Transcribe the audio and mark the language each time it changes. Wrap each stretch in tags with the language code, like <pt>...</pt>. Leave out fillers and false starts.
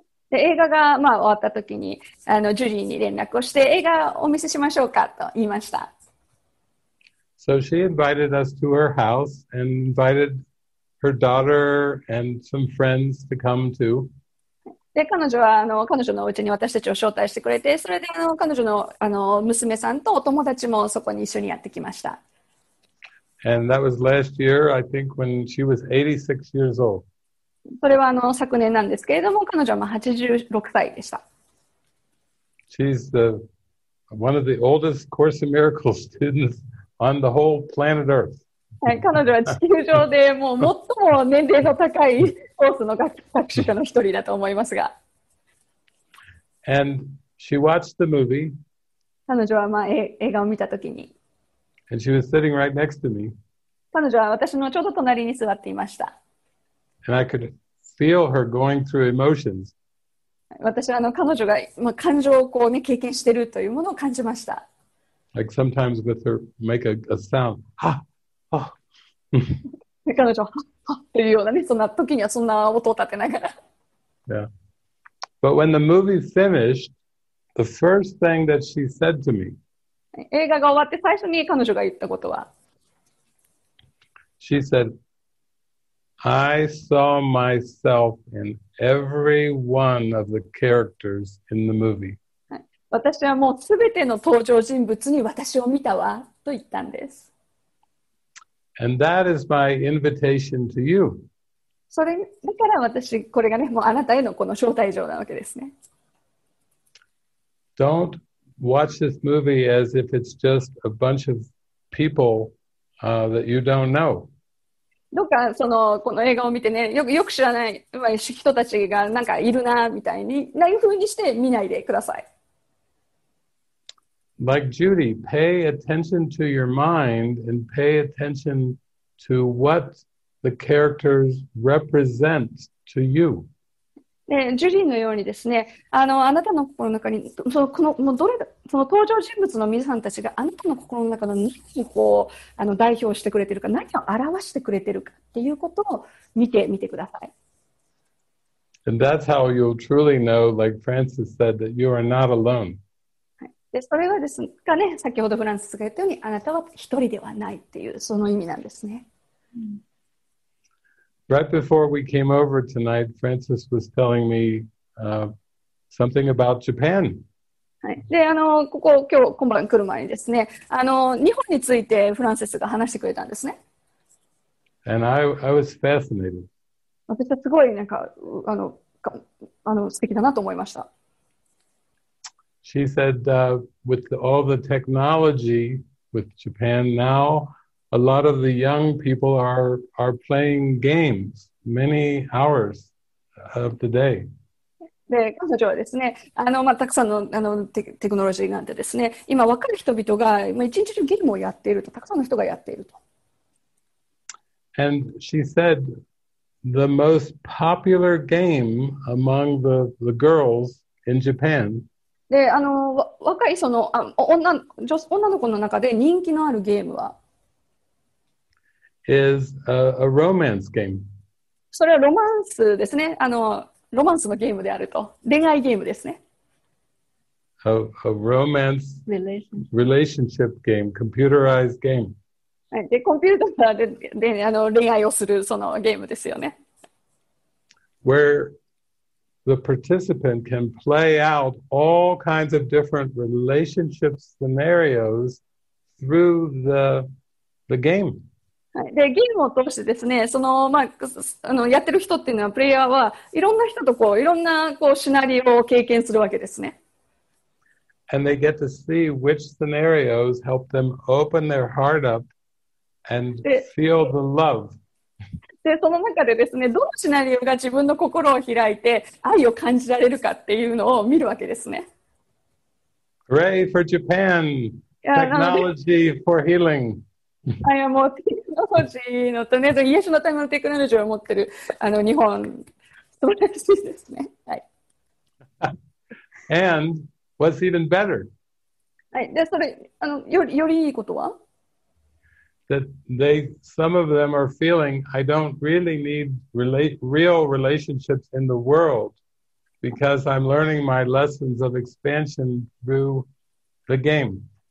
<ja>で、映画がまあ終わった時に、あのジュリーに連絡をして、映画をお見せしましょうかと言いました。</ja> <en>So she invited us to her house and invited her daughter and some friends to come too.</en> <ja>で、彼女はあの彼女のお家に私たちを招待してくれて、それであの彼女のあの娘さんとお友達もそこに一緒にやってきました。</ja> <en>And that was last year, I think, when she was 86 years old.</en> <ja>それはあの昨年なんですけれども、彼女はまあ86歳でした。</ja> <en>She's one of the oldest Course in Miracles students on the whole planet Earth.</en> <ja>はい、彼女は地球上でもう最も年齢の高いコースの学習者の一人だと思いますが。</ja> <en>And she watched the movie.</en> <ja>彼女はまあ映画を見たときに、</ja> <en>And she was sitting right next to me.</en> <ja>彼女は私のちょうど隣に座っていました。</ja> <en>And I could feel her going through emotions.</en> <ja>私はあの彼女が、まあ、感情をこう、ね、経験しているというものを感じました。</ja> <en>Like sometimes with her make a sound, ha, ha.</en> <ja>彼女は、ha, ha, というようなね、そんな時にはそんな音を立てながら。</ja> <en>Yeah. But when the movie finished, the first thing that she said to me,</en> <ja>映画が終わって最初に彼女が言ったことは</ja> <en>She said, I saw myself in every one of the characters in the movie.</en> <ja>私はもうすべての登場人物に私を見たわと言ったんです。</ja> <en>And that is my invitation to you.</en> <ja>それだから私、これがね、もうあなたへのこの招待状なわけですね。</ja> <en>Don't. Watch this movie as if it's just a bunch of people that you don't know.</en> <ja>どうかそのこの映画を見てね、よく知らない人たちがなんかいるなみたいに、なにふうにして見ないでください。</ja> <en>Like Judy, pay attention to your mind and pay attention to what the characters represent to you.</en> <ja>ジュリーのようにですね、あなたの心の中に、その登場人物の皆さんたちがあなたの心の中の何をこう代表してくれているか、何を表してくれているかっていうことを見てみてください。</ja> <en>And that's how you'll truly know, like Francis said, that you are not alone.</en> <ja>で、それはですかね、先ほどフランシスが言ったように、あなたは一人ではないっていう、その意味なんですね。うん、</ja> <en>Right before we came over tonight, Francis was telling me something about Japan.</en> <ja>はい。で、ここ、今日、今晩来る前にですね、日本についてフランシスが話してくれたんですね。</ja> <en>And I was fascinated.</en> <ja>私はすごい、なんか、素敵だなと思いました。</ja> <en>She said, with all the technology with Japan now,A lot of the young people are playing games many hours of the day.</en> <ja>で、彼女はですね、まあ、たくさんの、テクノロジーがあってですね、今若い人々が、まあ、一日中ゲームをやっていると、たくさんの人がやっていると。</ja> <en>And she said, the most popular game among the girls in Japan.</en> <ja>で、あの、若いその、あ、女、女、女の子の中で人気のあるゲームは</ja> <en>is a romance game.</en> <ja>それはロマンスですね。あの、ロマンスのゲームであると。恋愛ゲームですね。</ja> <en>A romance relationship game, computerized game.</en> <ja>で、コンピューターで、で、あの、恋愛をするそのゲームですよね。</ja> <en>Where the participant can play out all kinds of different relationship scenarios through the game.</en> <ja>はい、で、ゲームを通してですね、その、まあ、あの、やってる人っていうのは、プレイヤーはいろんな人とこう、いろんなこうシナリオを経験するわけですね。</ja> <en>And they get to see which scenarios help them open their heart up and feel the love.</en> <ja>で、その中でですね、どのシナリオが自分の心を開いて愛を感じられるかっていうのを見るわけですね。</ja> <en>Hooray for Japan! Technology for healing!</en> <ja>あ、いや、もうテクノロジーのとね、癒しのためのテクノロジーを持ってるあの日本、素晴らしいですね。はい。</ja> <en>And what's even better?</en> <ja>はい、で、それ、あの、よりいいことは？</ja> <en>That they, some of them are feeling, I don't really need real relationships in the world because I'm learning my lessons of expansion through the game.</en>